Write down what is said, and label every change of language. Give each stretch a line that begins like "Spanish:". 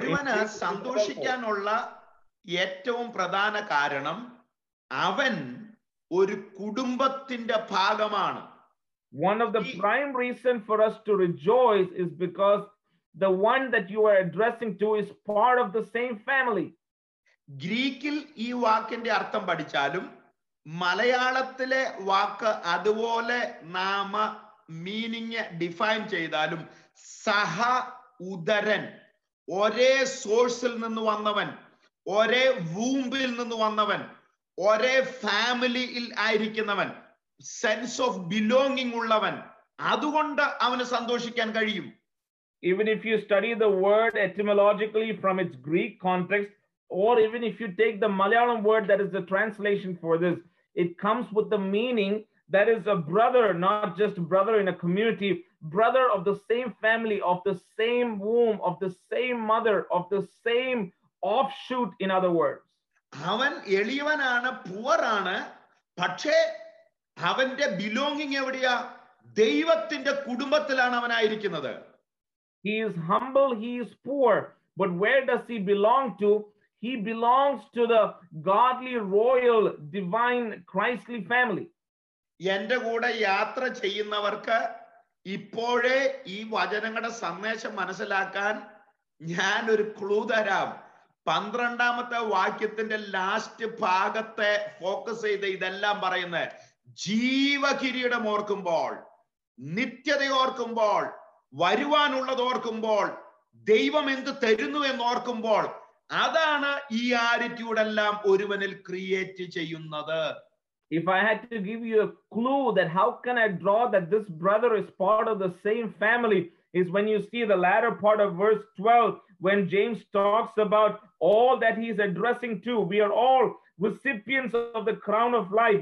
Malayalam: ഒരുവന് സന്തോഷിക്കാനുള്ള ഏറ്റവും പ്രധാന കാരണം അവൻ ഒരു കുടുംബത്തിന്റെ ഭാഗമാണ്.
English: One of the prime reason for us to rejoice is because the one that you are addressing to is part of the same family.
Malayalam: ഗ്രീക്കിൽ ഈ വാക്കിന്റെ അർത്ഥം പഠിച്ചാലും മലയാളത്തിലെ വാക്ക് അതുപോലെ നാമ മീനിങ് ഡിഫൈൻ ചെയ്താലും സഹ ഉദരൻ, ഒരേ സോഴ്സിൽ നിന്ന് വന്നവൻ, ഒരേ വൂമ്പിൽ നിന്ന് വന്നവൻ, ഒരേ ഫാമിലിയിൽ ആയിരിക്കുന്നവൻ,
English: sense of belonging
Malayalam: ഉള്ളവൻ, അതുകൊണ്ട് അവന് സന്തോഷിക്കാൻ കഴിയും.
English: Even if you study the word etymologically from its Greek context, or even if you take the Malayalam word that is the translation for this, it comes with the meaning that is a brother, not just brother in a community, brother of the same family, of the same womb, of the same mother, of the same offshoot, in other words.
Malayalam: അവൻ എളിയവനാണ്, poor ആണ്, പക്ഷേ അവന്റെ belonging എവിടെയാ? ദൈവത്തിന്റെ കുടുംബത്തിലാണ് അവൻ ആയിരിക്കുന്നത്.
English: He is humble, he is poor, but where does he belong to? He belongs to the godly, royal, divine, Christly family.
Malayalam: എന്റെ കൂടെ യാത്ര ചെയ്യുന്നവർക്ക് ഇപ്പോഴേ ഈ വചനങ്ങളുടെ സന്ദേശം മനസ്സിലാക്കാൻ ഞാൻ ഒരു ക്ലൂ തരാം. പന്ത്രണ്ടാമത്തെ വാക്യത്തിന്റെ ലാസ്റ്റ് ഭാഗത്തെ ഫോക്കസ് ചെയ്ത് ഇതെല്ലാം പറയുന്നത് ജീവകിരീടം ഓർക്കുമ്പോൾ, നിത്യത ഓർക്കുമ്പോൾ, വരുവാനുള്ളത് ഓർക്കുമ്പോൾ, ദൈവം എന്ത് തരുന്നു എന്നോർക്കുമ്പോൾ, അതാണ് ഈ ആറ്റിറ്റ്യൂഡ് എല്ലാം ഒരുവനിൽ ക്രിയേറ്റ് ചെയ്യുന്നത്.
English: If I had to give you a clue that how can I draw that this brother is part of the same family, is when you see the latter part of verse 12, when James talks about all that he's addressing to. We are all recipients of the crown of life.